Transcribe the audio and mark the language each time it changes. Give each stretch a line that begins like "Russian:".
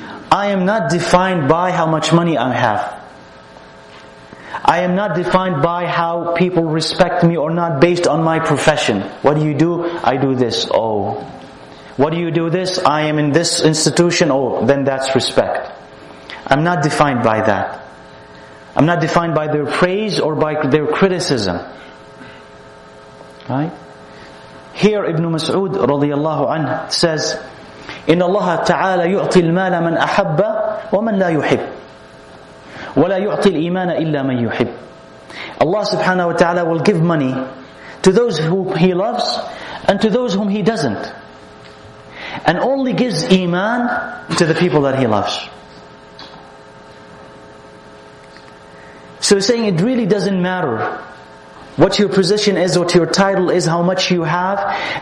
English: I am not defined by how much money I have. I am not defined by how people respect me or not based on my profession. What do you do? I do this. Oh. What do you do this? I am in this institution. Oh, then that's respect. I'm not defined by that. I'm not defined by their praise or by their criticism. Right? Here Ibn Mas'ud radiallahu anhu says,
Arabic: إِنَّ اللَّهَ تَعَالَى يُعْطِي الْمَالَ مَنْ أَحَبَّ وَمَنْ لَا يُحِبْ وَلَا يُعْطِي الْإِيمَانَ إِلَّا مَنْ يُحِبْ.
English: Allah subhanahu wa ta'ala will give money to those whom He loves and to those whom He doesn't. And only gives iman to the people that He loves. So saying it really doesn't matter what your position is, what your title is, how much you have.